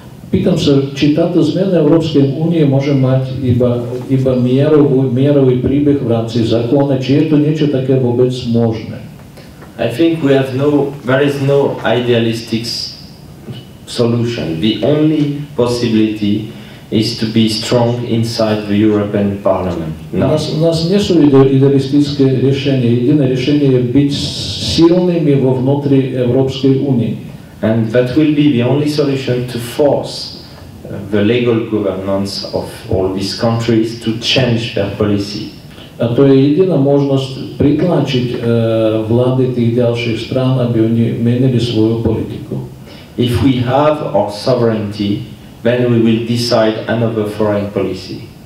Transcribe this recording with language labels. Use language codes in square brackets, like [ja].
[sk] Pýtam sa, či táto zmena Európskej únie môže mať iba mierový príbeh v rámci zákona, či je to niečo také vôbec možné? [en] I think we have no, there is no idealistic solution. The only possibility is to be strong inside the European Parliament. [sk] No. Nás nie sú idealistické riešenie. Jediné riešenie je byť silnými vo vnútri Európskej únie. [en] And that will be the only solution to force the legal governance of all these countries to change their policy. [sk] A to je jediná možnosť pritlačiť vlády tých ďalších strán, aby oni menili svoju politiku. [en] If we have our sovereignty, then we will decide another foreign policy.